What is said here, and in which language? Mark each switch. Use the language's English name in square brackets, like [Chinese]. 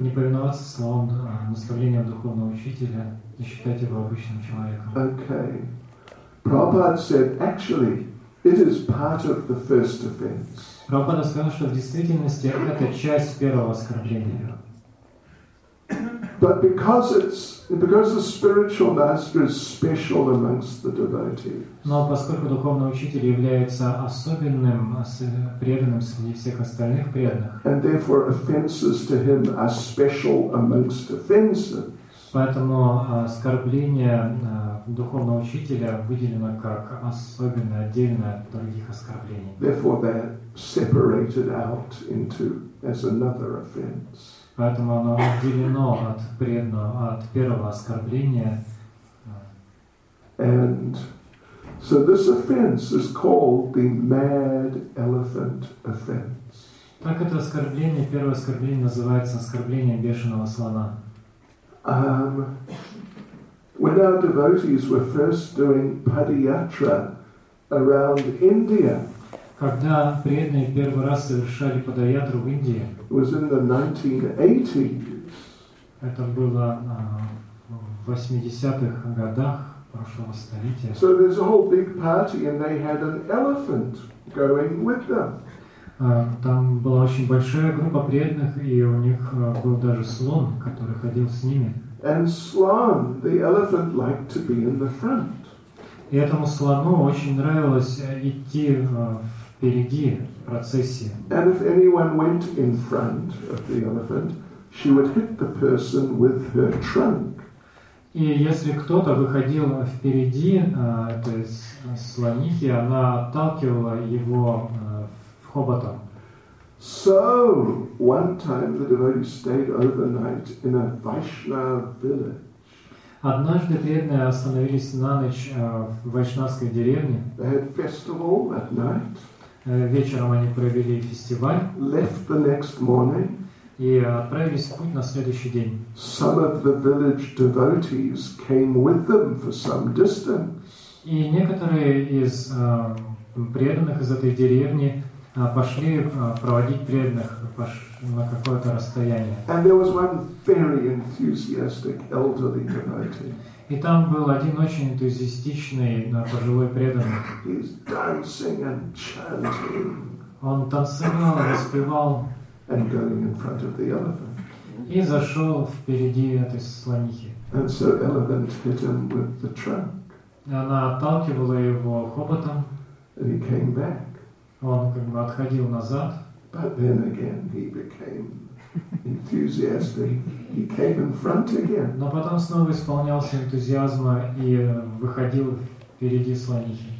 [Russian] Не повиноваться словом, наставлением духовного учителя и считать его обычным человеком. [English] Okay. Prabhupada said, actually, it is part of the first offense. [Russian] Прабхупада сказал, что в действительности это часть первого оскорбления. [English] But because the spiritual master is special amongst the devotees. [Russian] Но поскольку духовный учитель является особенным преданным среди всех остальных преданных. [English] And therefore offenses to him are special amongst offenses. [Russian] Поэтому оскорбление духовного учителя выделено как особенное, отдельное от других оскорблений. [English] Therefore they are separated out into as another offense. [Russian] Поэтому оно отделено от преданного, от первого оскорбления. [English] And so this offense is called the mad elephant offense. [Russian] Так это оскорбление, первое оскорбление называется оскорблением бешеного слона. [English] When our devotees were first doing padyatra around India. [Russian] Когда преданные первый раз совершали падаятру в Индии, [English] it was in the 1980s. [Russian] Это было в 80-х годах прошлого столетия. [English] So there's a whole big party and they had an elephant going with them. [Russian] Там была очень большая группа преданных, и у них был даже слон, который ходил с ними. [English] And slon, the elephant, liked to be in the front. [Russian] И этому слону очень нравилось идти в впереди процессии. [English] And if anyone went in front of the elephant, she would hit the person with her trunk. [Russian] И если кто-то выходил впереди этой слонихи, она отталкивала его хоботом. [English] So one time the devotee stayed overnight in a Vaishnava village. [Russian] Однажды преданные остановились на ночь в вайшнавской деревне. [English] They had festival at night. [Russian] Вечером они провели фестиваль. [English] Left the next morning. [Russian] И отправились в путь на следующий день. [English] Some of the village devotees came with them for some distance. [Russian] И некоторые из преданных из этой деревни пошли проводить преданных на какое-то расстояние. [English] And there was one very enthusiastic elderly devotee. [Russian] И там был один очень энтузиастичный пожилой преданный. [English] He's dancing and chanting. [Russian] Он танцевал, распевал. [English] And going in front of the elephant. [Russian] И зашел впереди этой слонихи. [English] And so elephant hit him with the trunk. [Russian] Она отталкивала его хоботом. [English] And he came back. [Russian] Он как бы отходил назад. [English] But then again he became enthusiastic. He came in front again. [Russian] Но потом снова исполнялся энтузиазма и выходил впереди слонихи.